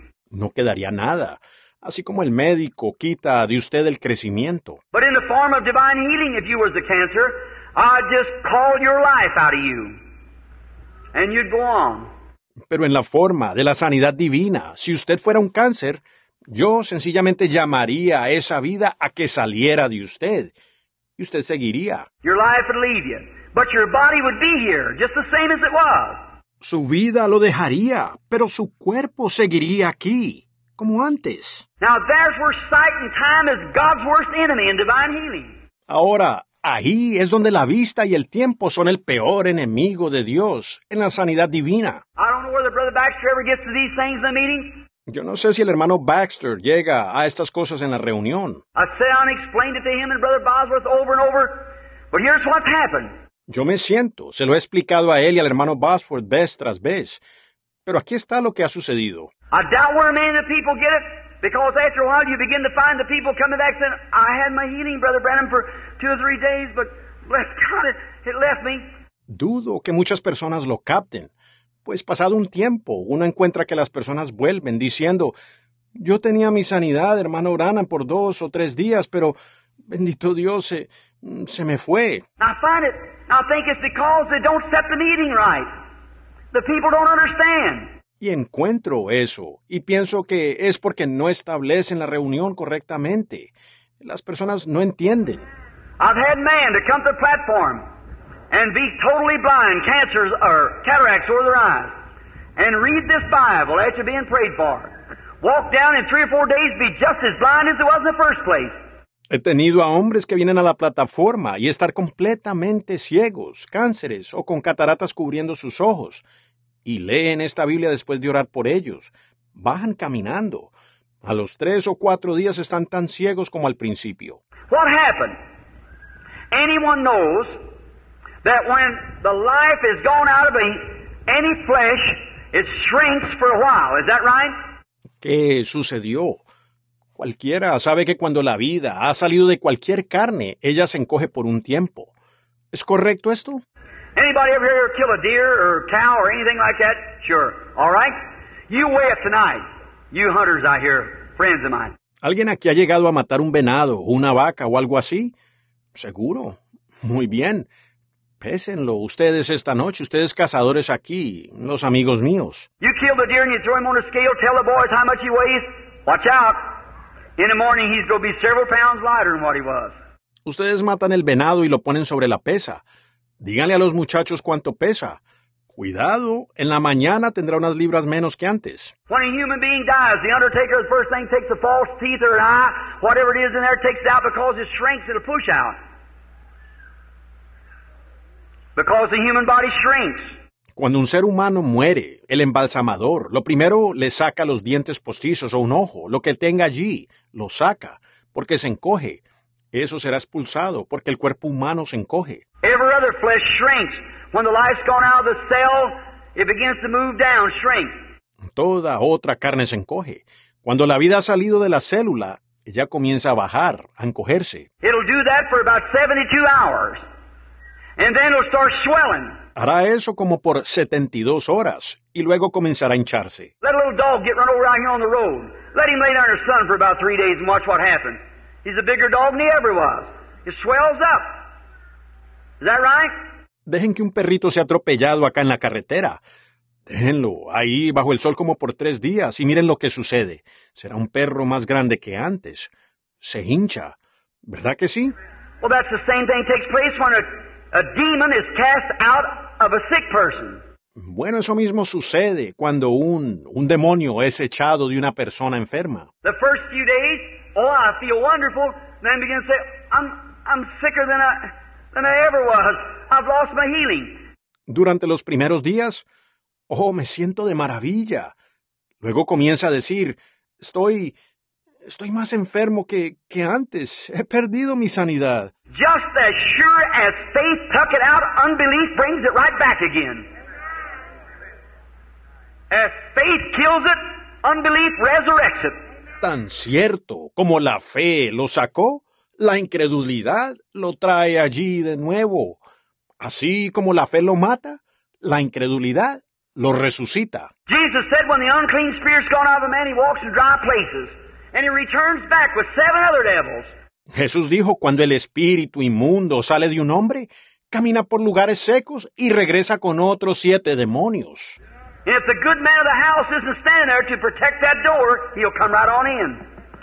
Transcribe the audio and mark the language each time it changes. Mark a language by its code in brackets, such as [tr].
[es] No quedaría nada, así como el médico quita de usted el crecimiento. [en] But in the form of divine healing, if you was the cancer, I'd just call your life out of you, and you'd go on. [es] Pero en la forma de la sanidad divina, si usted fuera un cáncer, yo sencillamente llamaría a esa vida a que saliera de usted, y usted seguiría. [en] Your life would leave you, but your body would be here, just the same as it was. [es] Su vida lo dejaría, pero su cuerpo seguiría aquí, como antes. [en] Now there's where sight and time is God's worst enemy in divine healing. [es] Ahora, ahí es donde la vista y el tiempo son el peor enemigo de Dios en la sanidad divina. [en] I don't know whether Brother Baxter ever gets to these things in the meeting. [es] Yo no sé si el hermano Baxter llega a estas cosas en la reunión. [en] I sat down and explained it to him and Brother Bosworth over and over, but here's what's happened. [es] Yo me siento, se lo he explicado a él y al hermano Bosworth vez tras vez, pero aquí está lo que ha sucedido. [en] I doubt where many of the people get it, because after a while you begin to find the people coming back saying, I had my healing, Brother Branham, for 2 or 3 days, but bless God, it left me. [es] Dudo que muchas personas lo capten. Pues pasado un tiempo, uno encuentra que las personas vuelven diciendo, yo tenía mi sanidad, hermano Branham, por 2 o 3 días, pero bendito Dios, se me fue. [en] I find it. I think it's because they don't set the meeting right. The people don't understand. [es] Y encuentro eso, y pienso que es porque no establecen la reunión correctamente. Las personas no entienden. [en] I've had man to come to the platform and be totally blind, cancers or cataracts over their eyes, and read this Bible after being prayed for. Walk down in 3 or 4 days, be just as blind as it was in the first place. [es] He tenido a hombres que vienen a la plataforma y estar completamente ciegos, cánceres o con cataratas cubriendo sus ojos, y leen esta Biblia después de orar por ellos. Bajan caminando. A los 3 o 4 días están tan ciegos como al principio. [en] What happened? Anyone knows that when the life is gone out of any flesh, it shrinks for a while. Is that right? [es] ¿Qué sucedió? Cualquiera sabe que cuando la vida ha salido de cualquier carne, ella se encoge por un tiempo. ¿Es correcto esto? [en] Anybody ever here kill a deer or a cow or anything like that? Sure. All right. You weigh it tonight. You hunters out here, friends of mine. [es] ¿Alguien aquí ha llegado a matar un venado, una vaca o algo así? Seguro. Muy bien. Pésenlo ustedes esta noche, ustedes cazadores aquí, los amigos míos. [en] You kill the deer and you throw him on a scale, tell the boys how much he weighs. Watch out. In the morning he's going to be several pounds lighter than what he was. [es] Ustedes matan el venado y lo ponen sobre la pesa. Díganle a los muchachos cuánto pesa. Cuidado, en la mañana tendrá unas libras menos que antes. [en] When a human being dies, the undertaker, the first thing, takes a false teeth or an eye, whatever it is in there, takes it out because it shrinks, it'll push out. Because the human body shrinks. [es] Cuando un ser humano muere, el embalsamador, lo primero le saca los dientes postizos o un ojo, lo que tenga allí, lo saca, porque se encoge. Eso será expulsado, porque el cuerpo humano se encoge. [en] Every other flesh shrinks. When the life's gone out of the cell, it begins to move down, shrink. [es] Toda otra carne se encoge. Cuando la vida ha salido de la célula, ella comienza a bajar, a encogerse. [en] It'll do that for about 72 hours. And then it'll start swelling. [es] Hará eso como por 72 horas y luego comenzará a hincharse. [en] Let a little dog get run over out here on the road. Let him lay down in the sun for about 3 days and watch what happens. He's a bigger dog than he ever was. It swells up. Is that right? [es] Dejen que un perrito sea atropellado acá en la carretera. Déjenlo ahí bajo el sol como por 3 días y miren lo que sucede. Será un perro más grande que antes. Se hincha. ¿Verdad que sí? [en] Well, that's the same thing takes place when a demon is cast out of a sick person. [es] Bueno, eso mismo sucede cuando un demonio es echado de una persona enferma. [en] The first few days, oh, I feel wonderful. Then begin to say, I'm sicker than I ever was. I've lost my healing. [es] Durante los primeros días, oh, me siento de maravilla. Luego comienza a decir, estoy más enfermo que antes. He perdido mi sanidad. [en] Just as sure as faith took it out, unbelief brings it right back again. As faith kills it, unbelief resurrects it. [es] Tan cierto como la fe lo sacó, la incredulidad lo trae allí de nuevo. Así como la fe lo mata, la incredulidad lo resucita. [en] Jesus said when the unclean spirit's gone out of a man, he walks in dry places, and he returns back with seven other devils. [es] Jesús dijo, cuando el espíritu inmundo sale de un hombre, camina por lugares secos y regresa con otros siete demonios. [en] If the good man of the house isn't standing there to protect that door, he'll come right on in.